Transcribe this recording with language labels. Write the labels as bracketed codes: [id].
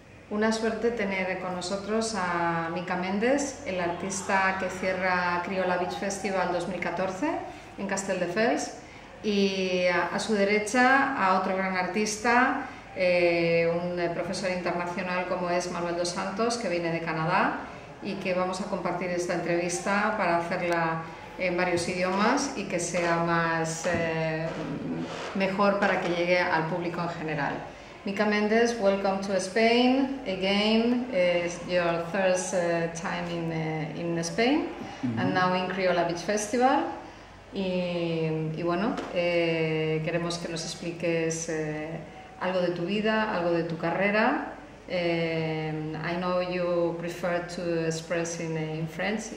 [es] Una suerte tener con nosotros a Mika Mendes, el artista que cierra Criola Beach Festival 2014 en Castelldefels, y a su derecha a otro gran artista, un profesor internacional como es Manuel Dos Santos, que viene de Canadá y que vamos a compartir esta entrevista para hacerla en varios idiomas y que sea más mejor para que llegue al público en general. [en] Mika Mendes, welcome to Spain again. It's your third time in Spain, and now in Criola Beach Festival. [es] Y bueno, queremos que nos expliques algo de tu vida, algo de tu carrera. [en] I know you prefer to express in French.